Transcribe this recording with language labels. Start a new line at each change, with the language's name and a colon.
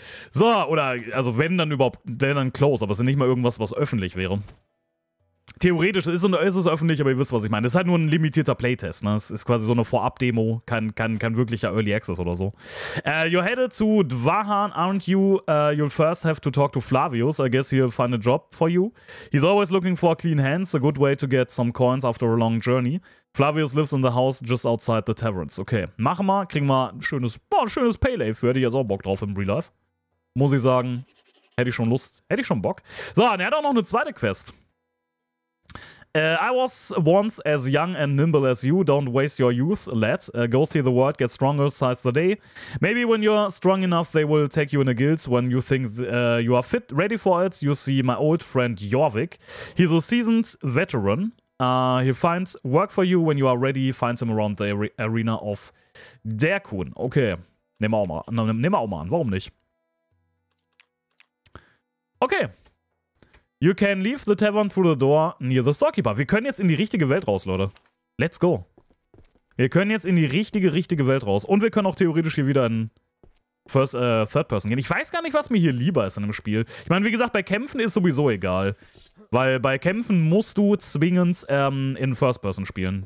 German: So, oder, also wenn dann überhaupt, wenn dann close, aber es ist nicht mal irgendwas, was öffentlich wäre. Theoretisch ist es öffentlich, aber ihr wisst, was ich meine. Es ist halt nur ein limitierter Playtest, ne? Es ist quasi so eine Vorab-Demo, kein wirklicher Early Access oder so.
English: You're headed to Dvahan, aren't you? You'll first have to talk to Flavius. I guess he'll find a job for you. He's always looking for clean hands, a good way to get some coins after a long journey. Flavius lives in the house just outside the taverns.
German: Okay, machen wir, kriegen wir ein schönes Paylay für, hätte ich jetzt auch Bock drauf im Real Life. Muss ich sagen, hätte ich schon Bock. So, und er hat auch noch eine zweite Quest.
English: I was once as young and nimble as you. Don't waste your youth, lad. Go see the world, get stronger, size the day. Maybe when you're strong enough, they will take you in a guild. When you think you are fit, ready for it, you see my old friend Jorvik. He's a seasoned veteran. He'll find work for you when you are ready. Find him around the arena of Derkun.
German: Okay, nehmen wir auch mal an. Warum nicht? Okay.
English: You can leave the tavern through the door near the storekeeper.
German: Wir können jetzt in die richtige Welt raus, Leute.
English: Let's go.
German: Wir können jetzt in die richtige Welt raus. Und wir können auch theoretisch hier wieder in Third Person gehen. Ich weiß gar nicht, was mir hier lieber ist in dem Spiel. Ich meine, wie gesagt, bei Kämpfen ist sowieso egal. Weil bei Kämpfen musst du zwingend in First Person spielen.